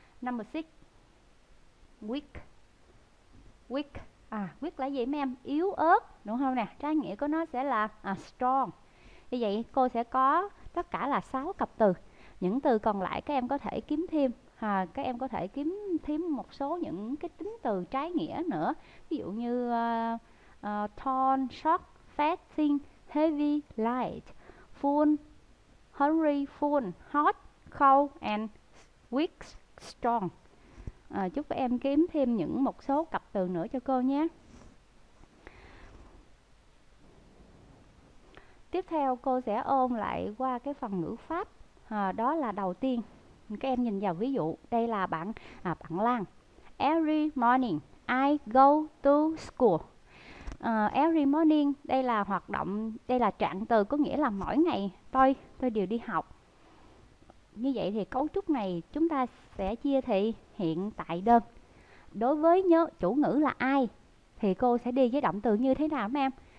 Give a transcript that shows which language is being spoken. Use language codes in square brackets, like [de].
[en] Number 6, weak. Weak, weak [vi] là gì mấy em? Yếu ớt, đúng không nè? Trái nghĩa của nó sẽ là strong. Như vậy cô sẽ có tất cả là 6 cặp từ. Những từ còn lại các em có thể kiếm thêm, các em có thể kiếm thêm một số những cái tính từ trái nghĩa nữa. Ví dụ như [en] tall, short, fat, thin, heavy, light, full, hungry, full, hot, cold and weak, strong. [vi] Chúc các em kiếm thêm những một số cặp từ nữa cho cô nhé. Tiếp theo cô sẽ ôn lại qua cái phần ngữ pháp. Đó là đầu tiên các em nhìn vào ví dụ, đây là bạn bạn Lan. [en] Every morning I go to school. Every morning [vi] đây là hoạt động, đây là trạng từ có nghĩa là mỗi ngày tôi đều đi học. Như vậy thì cấu trúc này chúng ta sẽ chia thị hiện tại đơn. Đối với nhớ chủ ngữ là ai thì cô sẽ đi với động từ như thế nào mấy em?